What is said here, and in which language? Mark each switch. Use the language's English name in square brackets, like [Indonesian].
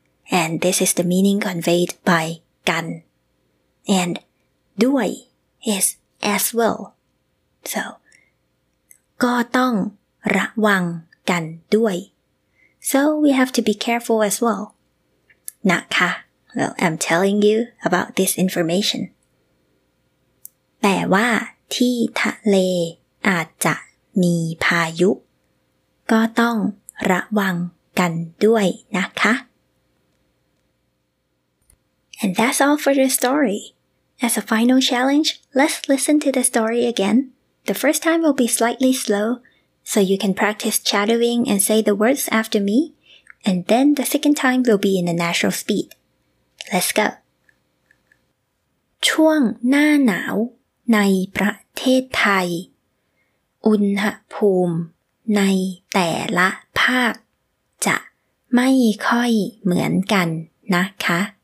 [English] And this is the meaning conveyed by gan. And duai is as well. [Thai] So, ko tong ra wang gan duai. [English] So we have to be careful as well. Na ka. Well, I'm telling you about this information. [Thai] แต่ว่าที่ทะเลอาจจะมีพายุก็ต้องระวังกันด้วยนะคะ [English] And that's all for the story. As a final challenge, let's listen to the story again. The first time will be slightly slow, so you can practice shadowing and say the words after me, and then the second time will be in the natural speed. Let's go. [Thai] ช่วงหน้าหนาวในประเทศไทยอุณหภูมิในแต่ละภาคจะไม่ค่อยเหมือนกันนะคะ